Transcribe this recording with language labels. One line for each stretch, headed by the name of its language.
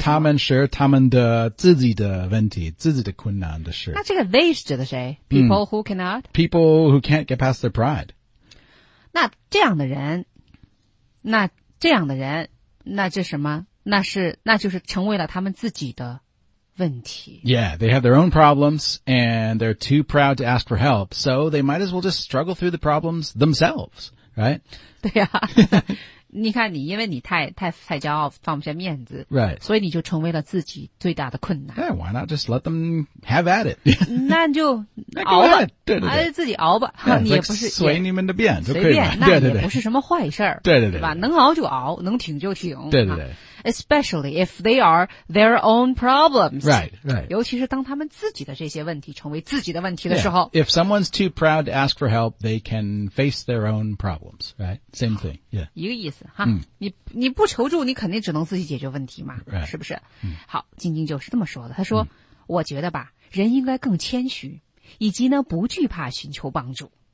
Chinese: 他们是他们的自己的问题自己的困难的事。那这个 they 是指的谁
English: People、who cannot? People who can't get past their pride.
Chinese: 那这样的人那这样的人那这什么那是那就是成为了他们自己的问题。
English: Yeah, they have their own problems and they're too proud to ask for help, so they might as well just struggle through the problems themselves, right?
Chinese: 对啊你看你因为你太骄傲放不下面子。
English: Right.
Chinese: 所以你就成为了自己最大的困难。
English: Yeah, why not just let them have at it?
Chinese: 那就熬吧。对对对。自己熬吧。
English: Yeah,
Chinese: 你也不是。随你们的便就可以了。随便，那也不是什么坏事儿。对对 对, 对, 对吧。能熬就熬，能挺就挺。对对对。
English: Especially if they are their own problems. Right, right.
Chinese: 尤其是当他们自己的这些问题成为自己的问题的时候。
English: Yeah. If someone's too proud to ask for help, they can face their own problems. Right, same thing. Yeah.
Chinese: 一个意思哈。你不求助，你肯定只能自己解决问题嘛。
English: Right.
Chinese: 是不是？好，晶晶就是这么说的。她说，我觉得吧，人应该更谦虚，以及呢，不惧怕寻求帮助。